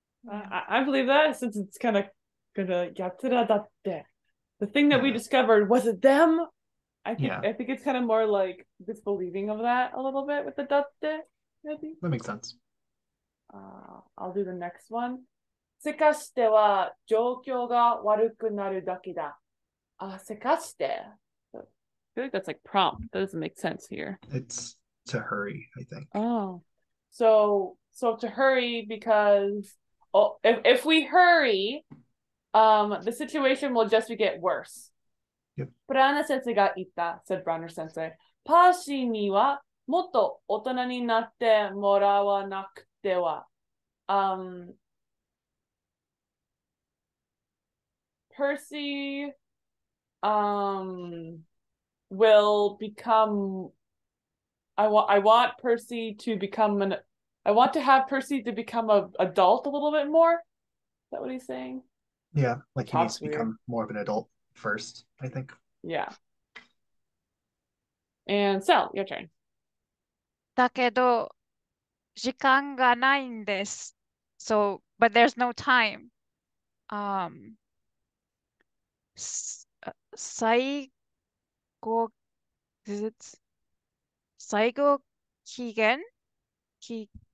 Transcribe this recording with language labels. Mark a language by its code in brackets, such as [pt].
[en] I believe that since it's kind of gonna get to that. The thing that we Yeah. discovered was it them? Yeah. I think it's kind of more like disbelieving of that a little bit with the dutte, maybe. That makes sense. I'll do the next one. [ja] せかしては状況が悪くなるだけだ。 [en] せかして。Feel like that's like prompt. That doesn't make sense here. It's to hurry, I think. Oh, so to hurry because oh, if we hurry, the situation will just get worse. [ja] プラーナ先生が言った、 [en] said Branner [ja] 先生。パーシーにはもっと大人になってもらわなくては。 [en] Percy, will become. I want Percy to become an. I want to have Percy to become an adult a little bit more. Is that what he's saying? Yeah, like he needs Talks to weird. become more of an adult first, I think. Yeah. And Sal, your turn. [ja] だけど、時間がないんです。 [en] So, but there's no time. [ja] 最後、 [en] is it [ja] 最後期限期